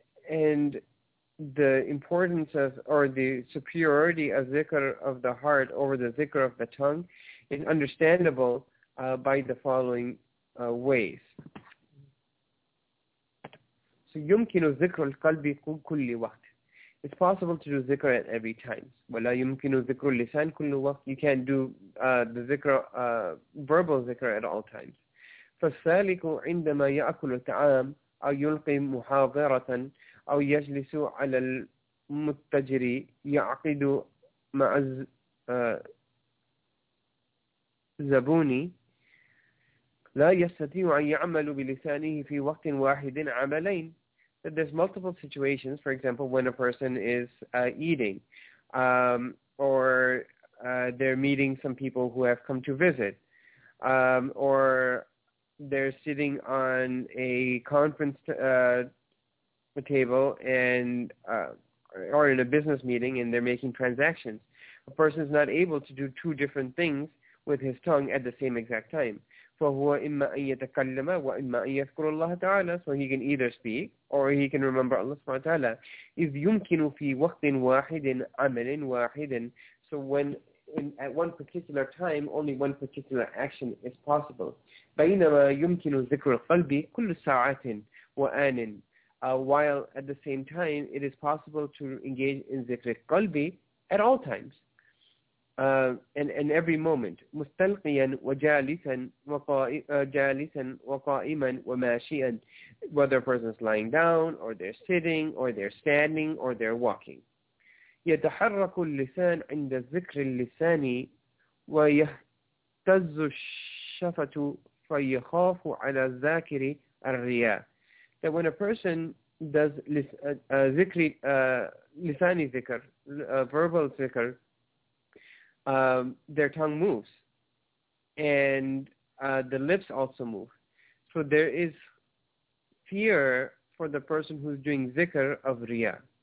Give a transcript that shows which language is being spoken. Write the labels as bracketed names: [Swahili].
[English] And the importance of, or the superiority of zikr of the heart over the zikr of the tongue, is understandable by the following ways. So [Arabic] yumkinu zikr al-qalbi kulli waqt. [English] It's possible to do zikr at every time. [Arabic] Wala yumkinu zikr al-lisan kulli waqt. [English] You can't do the zikr, verbal zikr at all times. [Arabic] فَالسَّالِكُ عِندَمَا يَأْكُلُ الطَّعَامُ أو يلقي محاضرة أو يجلس على المتجر يعقد مع الزبون لا يستطيع أن يعمل بلسانه في وقت واحد عملين. [English] That there's multiple situations, for example, when a person is eating, or they're meeting some people who have come to visit, or they're sitting on a conference table and or in a business meeting, and they're making transactions. A person is not able to do two different things with his tongue at the same exact time. [Arabic] فهو إما أن يتكلم وإما أن يذكر الله تعالى. [English] So he can either speak or he can remember Allah سبحانه وتعالى. [Arabic] إذ يمكن في وقت واحد عمل واحد. [English] So when in, at one particular time, only one particular action is possible. [Arabic] بينما يمكن ذكر القلب كل ساعات وآن. [English] While at the same time, it is possible to engage in ذكر القلب at all times. And every moment, [Arabic] مستلقياً وجالساً جالساً وقائماً وماشياً, [English] whether a person is lying down or they're sitting or they're standing or they're walking. [Arabic] يتحرك اللسان عند ذكر اللسان ويهتز الشفة فيخاف على الذاكر الرياء. [English] That when a person does ذكر لساني ذكر verbal ذكر, their tongue moves, and the lips also move. So there is fear for the person who is doing zikr of riya.